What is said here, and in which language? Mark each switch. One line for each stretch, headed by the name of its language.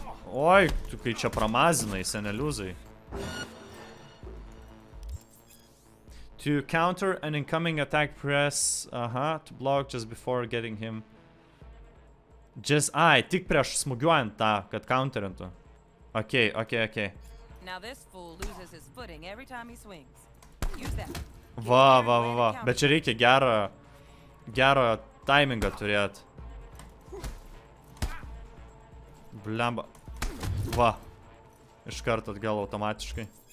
Lithuanian: Oi, tu kai čia pramazinai, seneliuzai.
English: To counter an incoming attack, press, aha, to block just before getting him.
Lithuanian: Just, ai, tik prieš smugiuojant tą, kad counterintų.
English: Okay, okay, okay. Now this fool loses his footing every time he swings. Use that. Va, va, va, va.
Lithuanian: Bet čia reikia gerą timingą turėt. Blamba. Va. Iš karto atgal automatiškai.